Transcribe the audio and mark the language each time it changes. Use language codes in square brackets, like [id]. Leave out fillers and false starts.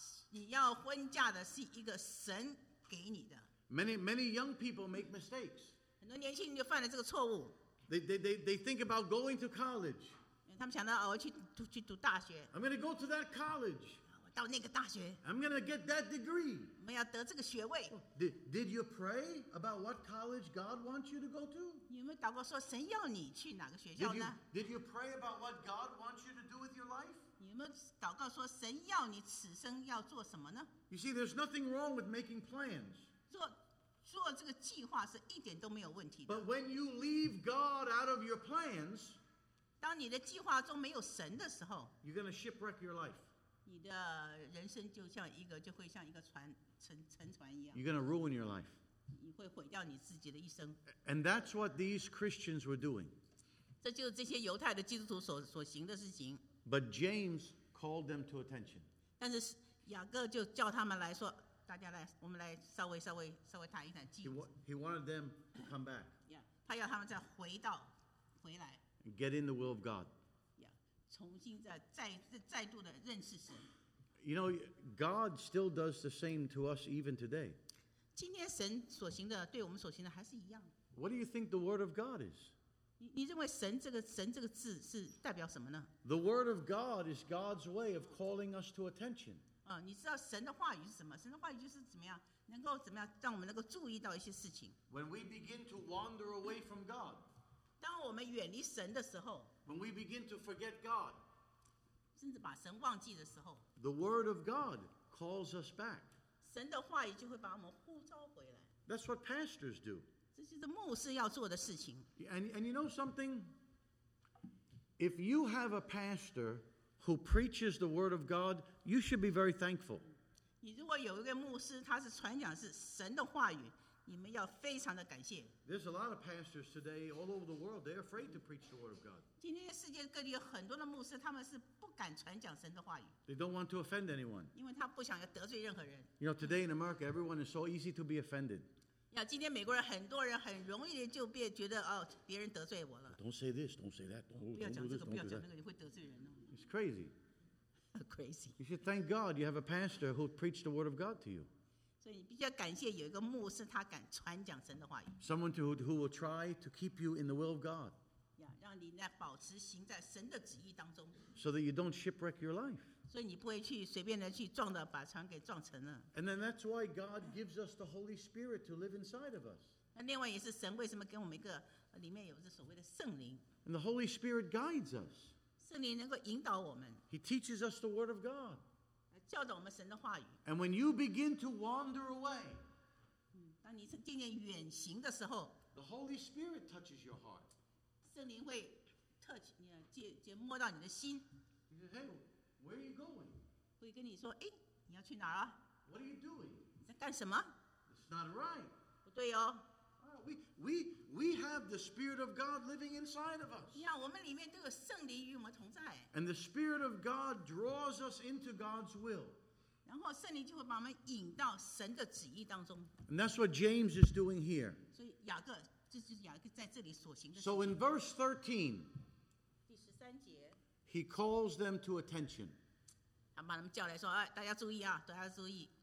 [zh] 你要婚嫁的是一个神给你的。 [en] Many young people make mistakes. [zh] 很多年轻人就犯了这个错误。 [en] They think about going to college. [zh] 他们想到我去读大学。 [en] I'm going to go to that college. [zh] 我到那个大学。 [en] I'm going to get that degree. [zh] 我要得这个学位。 [en] Did you pray about what college God wants you to go to? [zh] 你有没有祷告说神要你去哪个学校呢？ [en] Did you pray about what God wants you to do with your life? [zh] 你有没有祷告说神要你此生要做什么呢？ [en] You see, there's nothing wrong with making plans. [zh] 做这个计划是一点都没有问题的。 [en] But when you leave God out of your plans, [zh] 当你的计划中没有神的时候 [en] ，You're going to shipwreck your life. [zh] 你的人生就会像一个船沉船一样。 [en] You're going to ruin your life. [zh] 你会毁掉你自己的一生。 [en] And that's what these Christians were doing. [zh] 这就是这些犹太的基督徒所行的事情。 [en] But James called them to attention. [zh] 但是雅各就叫他们来说，大家来，我们来稍微谈一谈。 [en] He wanted them to come back. [zh] Yeah, 他要他们再回来。 [en] Get in the will of God. [zh] Yeah, 重新再度的认识神。 [en] You know, God still does the same to us even today. [zh] 今天神所行的对我们所行的还是一样。 [en] What do you think the word of God is? [zh] 你认为神这个字是代表什么呢？ [en] The word of God is God's way of calling us to attention. [zh] 你知道神的话语是什么？神的话语就是怎么样，能够怎么样让我们能够注意到一些事情。 [en] When we begin to wander away from God. [zh] 当我们远离神的时候 [en] ，When we begin to forget God， [zh] 甚至把神忘记的时候 [en] ，The word of God calls us back。 [zh] 神的话语就会把我们呼召回来。 [en] That's what pastors do。 [zh] 这就是牧师要做的事情。 [en] And you know something? If you have a pastor who preaches the word of God, you should be very thankful。 [zh] 你如果有一个牧师，他是传讲是神的话语。你们要非常的感谢。 [en] There's a lot of pastors today all over the world. They're afraid to preach the word of God. [zh] 今天世界各地有很多的牧师，他们是不敢传讲神的话语。 [en] They don't want to offend anyone. [zh] 因为他不想要得罪任何人。 [en] You know, today in America, everyone is so easy to be offended. [zh] 今天美国人很多人很容易的就变觉得哦，别人得罪我了。 [en] Don't say this. Don't say that. Don't do this. [zh] 不要讲这个，不要讲那个，你会得罪人哦。 [en] It's crazy. Crazy. You should thank God you have a pastor who preached the word of God to you. [zh] 所以你比较感谢有一个牧师，他敢传讲神的话语。 [en] Someone who will try to keep you in the will of God. [zh] 让你来保持行在神的旨意当中。 [en] So that you don't shipwreck your life. [zh] 所以你不会去随便的去撞的把船给撞沉了。 [en] And then that's why God gives us the Holy Spirit to live inside of us. [zh] 那另外也是神为什么给我们一个里面有这所谓的圣灵。 [en] And the Holy Spirit guides us. [zh] 圣灵能够引导我们。 [en] He teaches us the Word of God. [zh] 教导我们神的话语。 [en] And when you begin to wander away, [zh] 当你是渐渐远行的时候 [en] ，The Holy Spirit touches your heart. [zh] 圣灵会 touch 你，接摸到你的心。 [en] He says, "Hey, where are you going?" [zh] 会跟你说，哎，你要去哪儿啊 [en] ？What are you doing? [zh] 你在干什么 [en] ？It's not right. [zh] 不对哦。 [en] We have the Spirit of God living inside of us. [zh] Yeah, 我们里面都有圣灵与我们同在。 [en] And the Spirit of God draws us into God's will. [zh] 然后圣灵就会把我们引到神的旨意当中。 [en] And that's what James is doing here. [zh] 所以雅各，这就是雅各在这里所行的。 [en] So in verse 13, [zh] 第十三节 [en] he calls them to attention. [zh] 他把他们叫来说，哎，大家注意啊，大家注意。